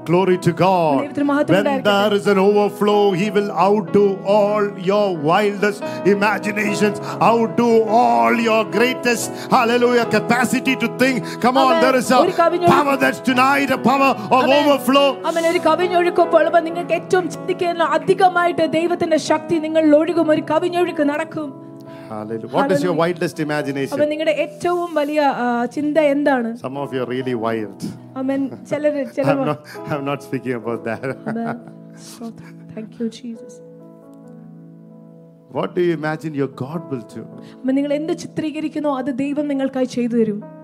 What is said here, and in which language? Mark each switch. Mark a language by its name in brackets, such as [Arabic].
[English] Glory to God. When there is an overflow, he will outdo all your wildest imaginations, outdo all your greatest hallelujah capacity to think. Come on, there is a power that's tonight, a power of overflow. [Malayalam] അമ്മ ഒരു കവിഞ്ഞൊഴുക്കുമ്പോൾ നിങ്ങൾക്ക് ഏറ്റവും ചിന്തിക്കുന്ന അധികമായിട്ട് ദൈവത്തിന്റെ ശക്തി നിങ്ങളിൽ ഒഴുകും. ഒരു കവിഞ്ഞൊഴുക്ക് നടക്കും. [English] Hallelujah. What is your wildest imagination? [Malayalam] Amen. നിങ്ങളുടെ ഏറ്റവും വലിയ ചിന്ത എന്താണ്? [English] Some of you are really wild. [Malayalam] Amen. ചിലർ [English] I'm not speaking about that. Amen. Thank you Jesus. What do you imagine your God will do? [Malayalam] അമ്മ നിങ്ങൾ എന്ത് ചിത്രീകരിക്കുന്നു അത് ദൈവം നിങ്ങൾക്കായി ചെയ്തു തരും.